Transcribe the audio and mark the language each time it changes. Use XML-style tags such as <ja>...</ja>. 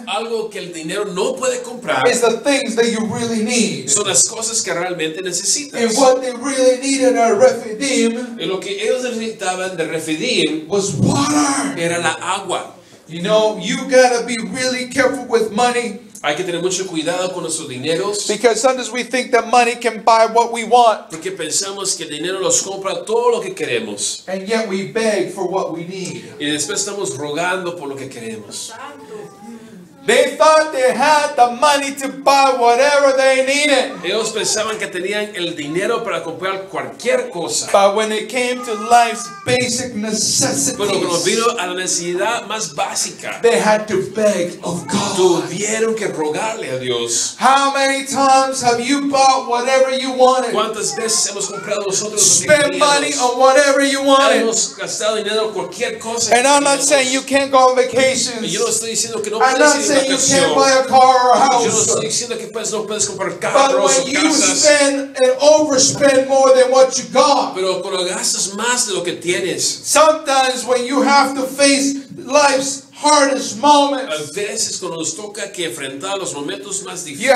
<es>algo que el dinero no puede comprar,</es> <en>is the things that you really need.</en> <es>Son las cosas que realmente necesitas.</es> <en>And what they really needed at Rephidim,</en> <es>y lo que ellos necesitaban de Rephidim,</es> <en>was water.</en> <es>Era la agua.</es> <en>You know, you gotta be really careful with money.</en> <es>Hay que tener mucho cuidado con nuestros dineros.</es> <en>Because sometimes we think that money can buy what we want.</en> <es>Porque pensamos que el dinero nos compra todo lo que queremos.</es> <en>And yet we beg for what we need.</en> <es>Y después estamos rogando por lo que queremos.</es> <en>They thought they had the money to buy whatever they needed.</en> <es>Ellos pensaban que tenían el dinero para comprar cualquier cosa.</es> <en>But when it came to life's basic necessities,</en> <es>bueno, cuando vino a la necesidad más básica,</es> <en>they had to beg of God.</en> <es>Tuvieron que rogarle a Dios.</es> <en>How many times have you bought whatever you wanted?</en> <es>¿Cuántas veces hemos comprado nosotros lo que queríamos?</es> <en>Spend money on whatever you wanted.</en> <es>Hemos gastado dinero en cualquier cosa.</es> <en>And I'm not saying you can't go on vacations.</en> <es>Yo no estoy diciendo que no puedes ir.</es> <en>Say you can't buy a car or a house.</en> <es>Pues no puedes comprar carro,</es> <en>but when you spend and overspend more than what you got.</en> <es>Pero cuando gastas más de lo que tienes.</es> <en>Sometimes when you have to face life's hardest moments.</en> <es>A veces cuando nos toca que enfrentar los momentos más difíciles.</es>